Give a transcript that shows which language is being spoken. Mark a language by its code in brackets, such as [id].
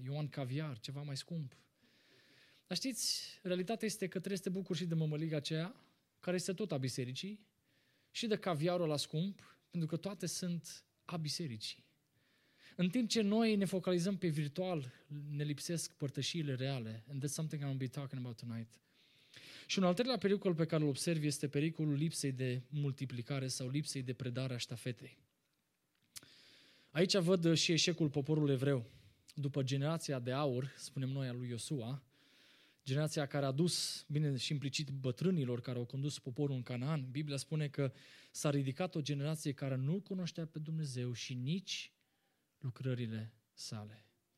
[en] You want caviar, [ro] ceva mai scump. Dar știți, realitatea este că trebuie să te bucuri și de mămăliga aceea, care este tot a bisericii, și de caviarul la scump, pentru că toate sunt a bisericii. În timp ce noi ne focalizăm pe virtual, ne lipsesc părtășiile reale. [en] And that's something I'm going to be talking about tonight. [ro] Și un al treilea pericol pe care îl observ este pericolul lipsei de multiplicare sau lipsei de predare a ștafetei. Aici văd și eșecul poporului evreu. După generația de aur, spunem noi, a lui Iosua, generația care a dus, bine și implicit, bătrânilor care au condus poporul în Canaan, Biblia spune că s-a ridicat o generație care nu cunoștea pe Dumnezeu și nici lucrările sale.